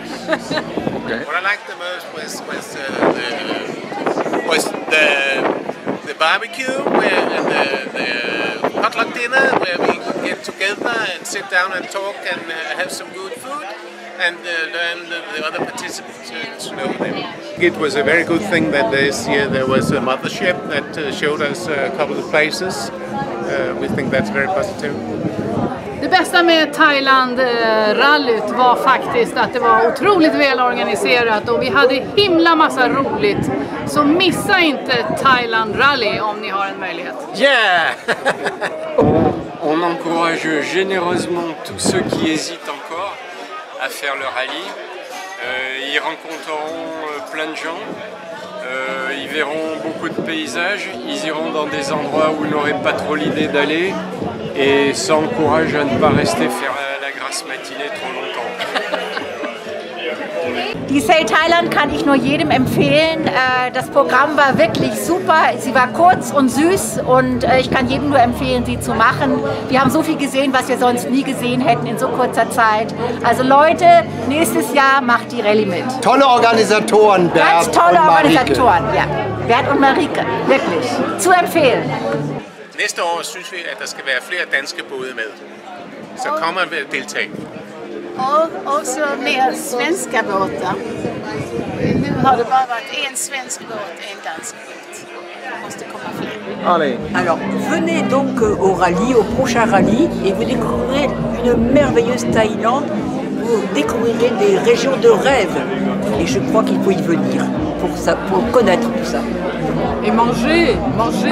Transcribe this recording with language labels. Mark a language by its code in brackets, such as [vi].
[en] What I liked the most was the barbecue and the potluck dinner, where we could get together and sit down and talk and have some good food and learn the other participants to know them. It was a very good thing that this year there was a mothership that showed us a couple of places. We think that's very positive. [sv] Det bästa med Thailand-rallyt var faktiskt att det var otroligt väl organiserat och vi hade himla massa roligt. Så missa inte Thailand-rally om ni har en möjlighet. [en] Yeah! [fr] on encourage généreusement tous ceux qui hésitent encore à faire le rallye. Ils rencontreront plein de gens. Ils verront beaucoup de paysages. Ils iront dans des endroits où ils n'auraient pas trop l'idée d'aller. Et ça encourage à ne pas rester faire la grasse matinée trop longtemps. [de] Die Sail Thailand kann ich nur jedem empfehlen. Das Programm war wirklich super. Sie war kurz und süß und ich kann jedem nur empfehlen, sie zu machen. Wir haben so viel gesehen, was wir sonst nie gesehen hätten in so kurzer Zeit. Also Leute, nächstes Jahr macht die Rallye mit. Tolle Organisatoren, Bert und Marike. Ganz tolle Organisatoren, ja. Bert und Marike, wirklich. Zu empfehlen. [da] Nächste år synes vi, at der skal være flere danske både med. Så kommer vi at deltage. [sv] Också mer svenska båtar. Nu har det bara varit en svensk båt, en dansk båt. [fr] Allez. Alors, venez donc au rallye, au prochain rallye, et vous découvrirez une merveilleuse Thaïlande. Vous découvrirez des régions de rêve. Et je crois qu'il faut y venir. pour ça, pour connaître tout ça. Et manger, manger.